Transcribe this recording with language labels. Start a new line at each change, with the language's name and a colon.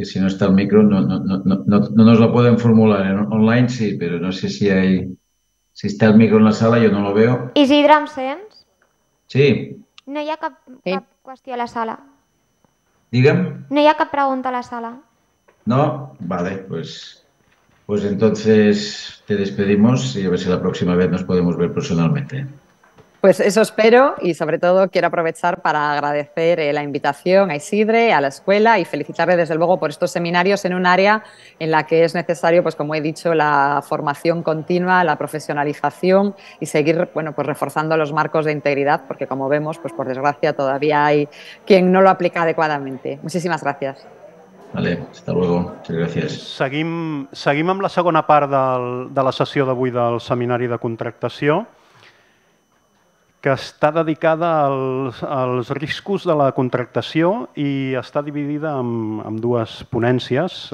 Catalan: que si no està el micro no es la poden formular. Online sí, però no sé si hi... si està el micro en la sala, jo no la veo. Isidre, em sents? Sí. No hi ha cap qüestió a la sala. Digue'm. No hi ha cap pregunta a la sala. No?
Spanish: Vale, pues entonces te despedimos y a ver si la próxima vez nos podemos ver personalmente. Pues eso espero y sobre todo quiero aprovechar para agradecer la invitación a Isidre, a la escuela y felicitarle desde luego por estos seminarios en un área en la que es necesario, pues como he dicho, la formación continua, la profesionalización y seguir, bueno, pues reforzando los marcos de integridad, porque como vemos, pues por desgracia todavía hay quien no lo aplica adecuadamente. Muchísimas gracias. Vale, hasta luego. Muchas gracias.
Catalan: Seguim amb la segona part de la sessió d'avui del seminari de contractació, que està dedicada als riscos de la contractació i està dividida en dues ponències.